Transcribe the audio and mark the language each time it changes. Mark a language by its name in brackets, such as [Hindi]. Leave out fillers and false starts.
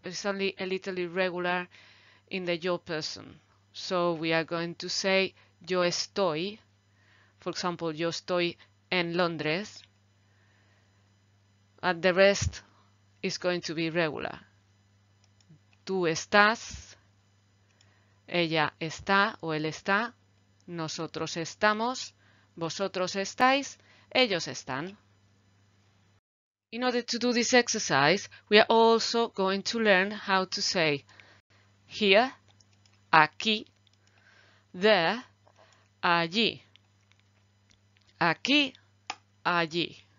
[English] It's only a little irregular in the yo person. So we are going to say [Spanish] yo estoy. [English] For example, [Spanish] yo estoy en Londres. [English] And the rest is going to be regular. [Spanish] Tú estás, ella está o él está, nosotros estamos, vosotros estáis, ellos están. [English] In order to do this exercise, we are also going to learn how to say here, [Spanish] aquí, [English] there, [Spanish] allí, aquí, allí.